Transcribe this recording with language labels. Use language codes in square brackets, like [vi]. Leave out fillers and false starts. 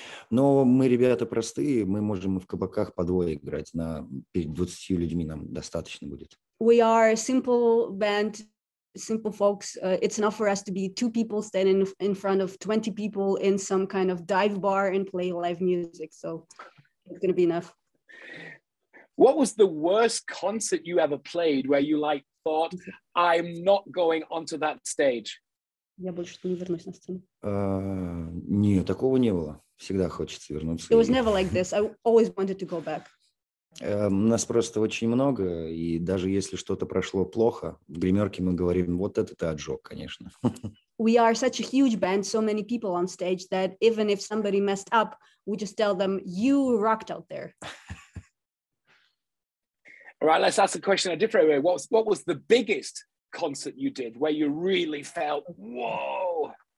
[ru] Но мы ребята простые, мы можем в кабаках по двое играть, на 20 людьми нам достаточно будет. [en] We are a simple band, simple folks. It's enough for us to be two people standing in front of 20 people in some kind of dive bar and play live music. So it's going to be enough. What was the worst concert you ever played where you like thought, I'm not going onto that stage? [ru] Нет, такого не было. Всегда хочется вернуться. [en] It was never like this. I always wanted to go back. [ru] Нас просто очень много, и даже если что-то прошло плохо, в гримерке мы говорим, вот это ты отжег, конечно. [en] We are such a huge band, so many people on stage, that even if somebody messed up, we just tell them, you rocked out there. All right, let's ask the question a different way. What was the biggest concert you did where you really felt, whoa?